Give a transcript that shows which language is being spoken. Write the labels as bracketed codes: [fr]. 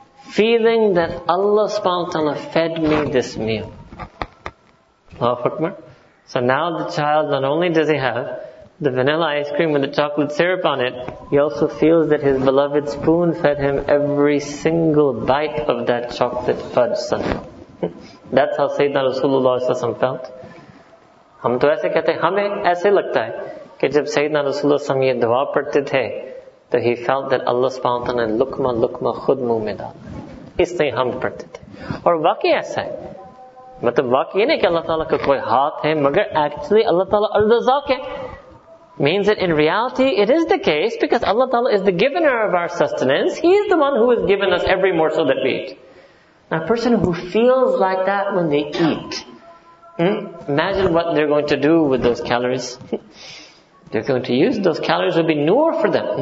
[en] Feeling that Allah subhanahu wa ta'ala fed me this meal. Allahu Akbar. So now the child, not only does he have the vanilla ice cream with the chocolate syrup on it, he also feels that his beloved spoon fed him every single bite of that chocolate fudge sundae. That's how Sayyidina Rasulullah felt. [ur] ہم تو ایسے کہتے، ہمیں ایسے لگتا ہے. کہ جب سیدنا رسول اللہ یہ دعا پڑھتے تھے، تو [en] he felt that [ur] اللہ سبحانہ و تعالیٰ لقمہ لقمہ خود منہ میں ڈال. اسلیے ہم پڑھتے تھے. اور واقعی ایسا ہے. مطلب واقعی نہیں کہ اللہ تعالیٰ کا کوئی ہاتھ ہے مگر actually اللہ تعالیٰ الرزاق ہے. [en] Means that in reality it is the case because Allah Ta'ala is the givener of our sustenance. He is the one who has given us every morsel that we eat. Now a person who feels like that when they eat, imagine what they're going to do with those calories. They're going to use those calories will be nur for them.